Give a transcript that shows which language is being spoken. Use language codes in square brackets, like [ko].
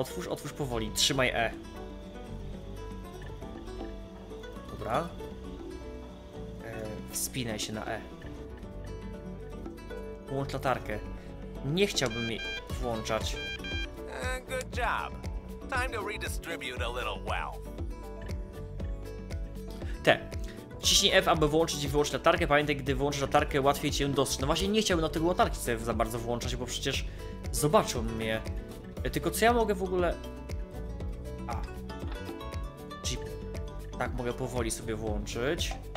[pl] Otwórz powoli, trzymaj E. Dobra. Wspinaj się na E. Włącz latarkę. Nie chciałbym jej włączać. [en] Good job. Time to redistribute a little wealth. Te. [pl] Wciśnij F, aby włączyć i wyłączyć latarkę. Pamiętaj, gdy włączysz latarkę, łatwiej cię dostrzec. No właśnie, nie chciałbym na tego latarki sobie za bardzo włączać, bo przecież zobaczą mnie. Tylko co ja mogę w ogóle... A. Jeep. Tak mogę powoli sobie włączyć.